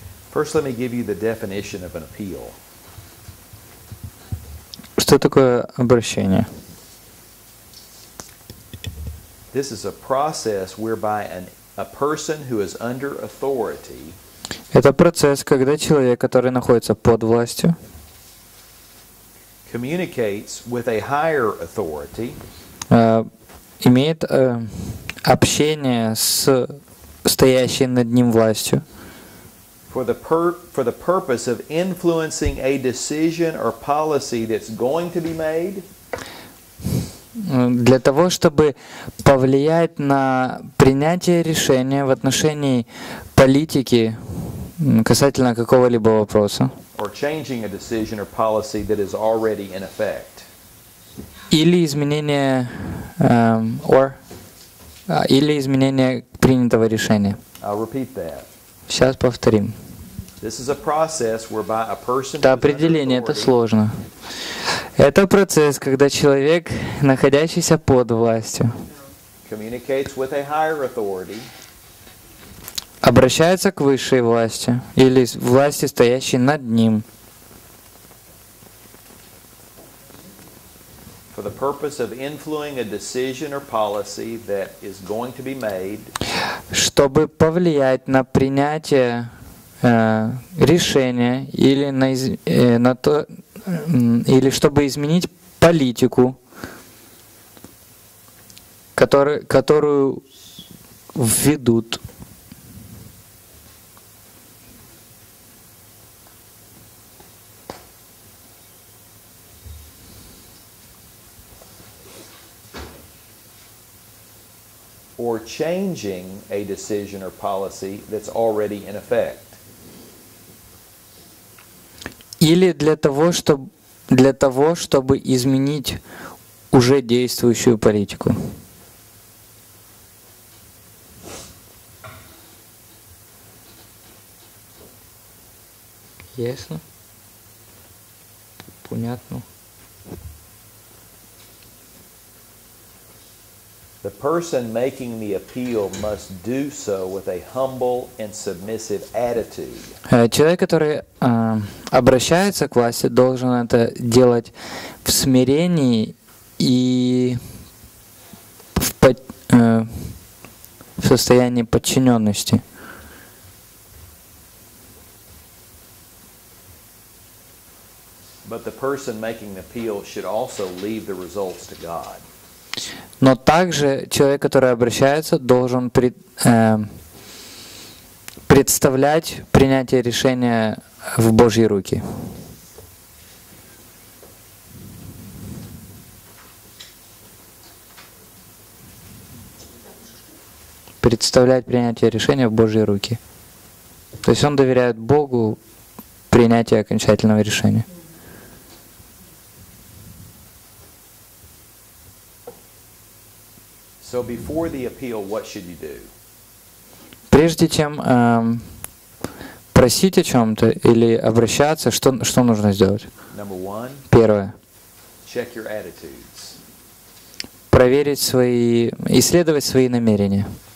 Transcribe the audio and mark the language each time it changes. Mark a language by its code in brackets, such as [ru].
[en] First, let me give you the definition of an appeal. [ru] Что такое обращение? [en] This is a process whereby a person who is under authority. [ru] Это процесс, когда человек, который находится под властью, [en] communicates with a higher authority. [ru] Имеет общение с стоящей над ним властью. [en] For the purpose of influencing a decision or policy that's going to be made. [ru] Для того, чтобы повлиять на принятие решения в отношении политики касательно какого-либо вопроса. [en] Or changing a decision or policy that is already in effect. [ru] Или изменение принятого решения. [en] I'll repeat that. [ru] Сейчас повторим. [en] This is a process whereby a person. [ru] Да, определение это сложно. Это процесс, когда человек, находящийся под властью, [en] communicates with a higher authority. [ru] Обращается к высшей власти или власти, стоящей над ним. [en] For the purpose of influencing a decision or policy that is going to be made. [ru] Чтобы повлиять на принятие решение или на то, или чтобы изменить политику, которую введут. [en] Or changing a decision or policy that's already in effect. [ru] Или для того, чтобы изменить уже действующую политику. Ясно? Понятно. [en] The person making the appeal must do so with a humble and submissive attitude. [ru] Человек, который обращается к власти, должен это делать в смирении и в состоянии подчиненности. [en] Okay. But the person making the appeal should also leave the results to God. [ru] Но также человек, который обращается, должен представлять принятие решения в Божьи руки. Представлять принятие решения в Божьи руки. То есть он доверяет Богу принятие окончательного решения. [en] So before the appeal, what should you do? [ru] Прежде чем просить о чем-то или обращаться, что нужно сделать? [en] Number one. [ru] Первое. [en] Check your attitudes. [ru] Проверить свои, исследовать свои намерения.